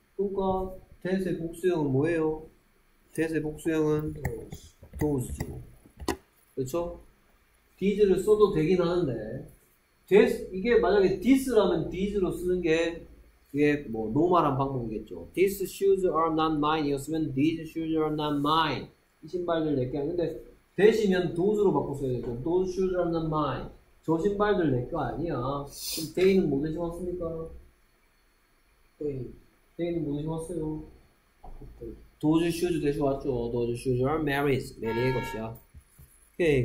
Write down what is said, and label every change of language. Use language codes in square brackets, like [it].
[ko] 그러니까, 대세 복수형은 뭐예요? 대세 복수형은 도우즈죠. 그쵸? 디즈를 써도 되긴 하는데, 이게 만약에 디즈라면 디즈로 쓰는 게, 그게 뭐, 노멀한 방법이겠죠. [en] These shoes are not mine [ko] 이었으면, [en] These shoes are not mine. [ko] 이 신발들 내게 아닌데, 대시면 도우즈로 바꿔 써야 되죠. [en] Those shoes are not mine. [ko] 저 신발들 내거 아니야. 그럼 데이는 뭐 대신 왔습니까? 데이는 뭐 대신 왔어요? 도즈 슈즈 대신 왔죠. 도즈 슈즈 [en] are Mary's. [ko] 메리의 것이야. 오케이.